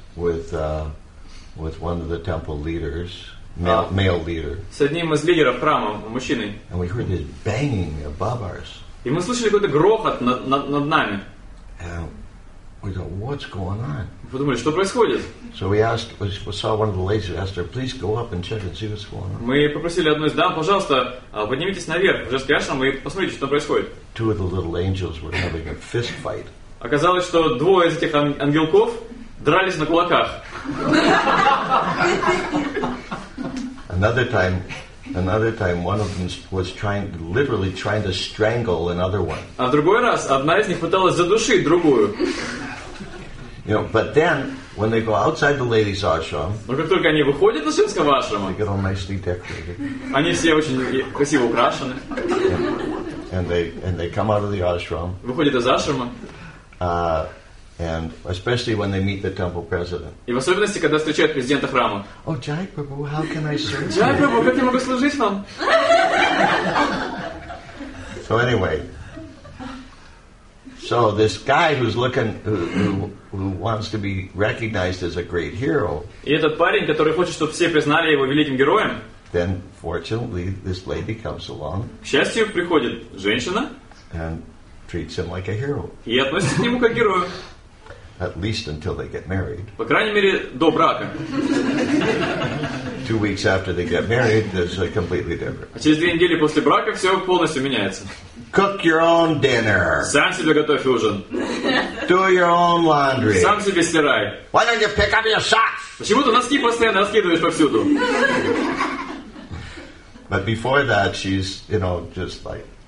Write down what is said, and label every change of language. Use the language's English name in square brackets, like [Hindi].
[English] With one of the temple leaders. Male leader. [Russian] С одним из лидеров храма, мужчиной. [English] And we heard this banging above us. [Russian] И мы слышали какой-то грохот над нами. [English] And we thought, what's going on? [Russian] Вы думали, что происходит? [English] So we asked, we saw one of the ladies, asked her, please go up and check and see what's going on. [Russian] Мы попросили одну из дам, пожалуйста, поднимитесь наверх, уже спрячься, мы посмотрите, что там происходит. [English] Two of the little angels were having a fist fight. [Russian] Оказалось, что двое из этих ангелков дрались на кулаках. [English] Another time, one of them was literally trying to strangle another one. [Russian] А в другой раз одна из них пыталась задушить другую. [English] You know, but then when they go outside the ladies' ashram, [Russian] но как только они выходят из женского ашрама, [English] they get all nicely decorated. [Russian] Они все очень красиво украшены. [English] And they come out of the ashram. [Russian] Выходят из ашрама. [English] And especially when they meet the temple president. [Russian] И в особенности, когда встречают президента храма. [English] Oh, Jai Prabhu, how can I serve you? [Russian] Jai Prabhu, как я могу служить вам? [English] So anyway, so this guy who's looking, who wants to be recognized as a great hero. [Russian] И этот парень, который хочет, чтобы все признали его великим героем. [English] Then fortunately, this lady comes along. [Russian] К счастью, приходит женщина. [English] And treats him like a hero. [Russian] И относится к нему как к герою. [English] At least until they get married. [Russian] По крайней мере, до брака. [English] 2 weeks after they get married, it's completely different. [Russian] А через 2 недели после брака все полностью меняется. [English] Cook your own dinner. [Russian] Сам себе готовь ужин. [English] Do your own laundry. [Russian] Сам себе стирай. [English] Why don't you pick up your socks? [Russian] Почему ты носки постоянно раскидываешь повсюду? [English] But before that, she's, you know, just like.